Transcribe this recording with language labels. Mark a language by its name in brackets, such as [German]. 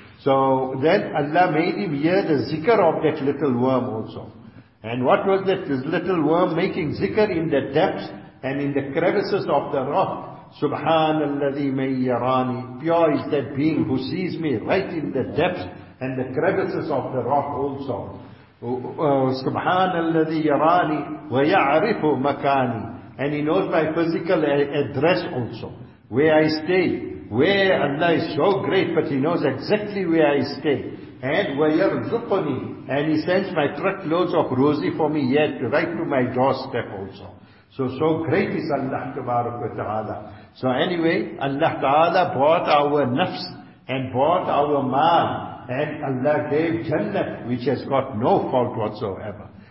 [English] So then Allah made him hear the zikr of that little worm also. And what was that this little worm making zikr in the depths and in the crevices of the rock? Subhanalladhi may yarani. Pure is that being who sees me right in the depths and the crevices of the rock also. [Arabic] سبحان الذي يراني ويعرف مكاني. [English] And he knows my physical address also, where I stay, where Allah is so great, but he knows exactly where I stay. And [Arabic] وَيَرْزُقُنِي, [English] and he sends my truckloads of rosy for me yet, right to my doorstep also. So great is Allah tabarak wa ta'ala. So anyway, Allah ta'ala bought our nafs and bought our maal, and Allah gave Jannah, which has got no fault whatsoever.